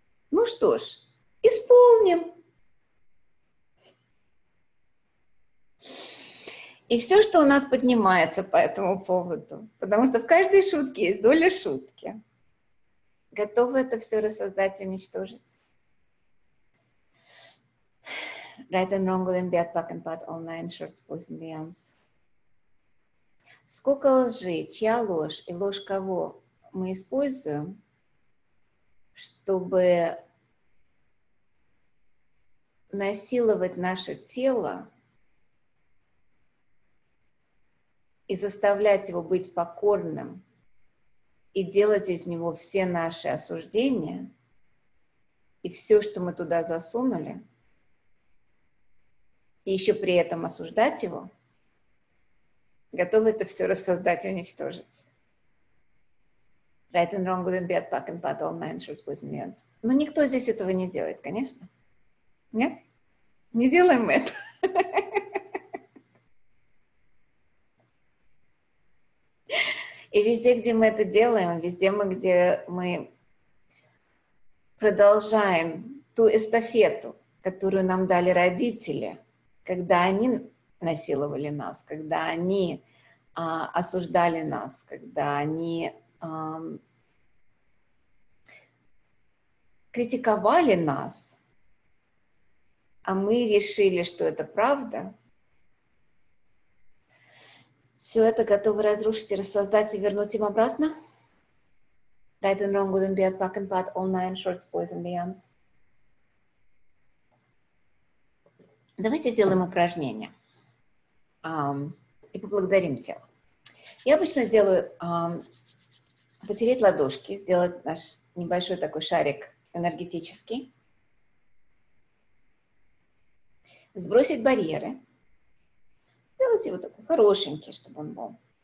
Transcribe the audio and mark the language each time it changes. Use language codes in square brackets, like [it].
[ru] Ну что ж, исполним. И все, что у нас поднимается по этому поводу, потому что в каждой шутке есть доля шутки, готовы это все рассоздать и уничтожить. [en] Right and wrong, good and bad, pack and pat, all nine shorts, boys and beyonds. [ru] Сколько лжи, чья ложь и ложь кого мы используем, чтобы насиловать наше тело и заставлять его быть покорным и делать из него все наши осуждения и все, что мы туда засунули, и еще при этом осуждать его, готовы это все рассоздать и уничтожить. [en] Right and wrong, good and bad, pack and pat, all nine shorts, boys and beyonds. [ru] Но никто здесь этого не делает, конечно. Нет? Не делаем мы это. И везде, где мы это делаем, везде, мы, где мы продолжаем ту эстафету, которую нам дали родители, когда они насиловали нас, когда они осуждали нас, когда они критиковали нас, а мы решили, что это правда, все это готовы разрушить и рассоздать и вернуть им обратно? [en] Right and wrong, good and bad, pack and pat, all nine shorts, boys and beyonds. [ru] Давайте сделаем упражнение и поблагодарим тело. Я обычно делаю потереть ладошки, сделать наш небольшой такой шарик энергетический, сбросить барьеры, сделать его такой хорошенький, чтобы он был.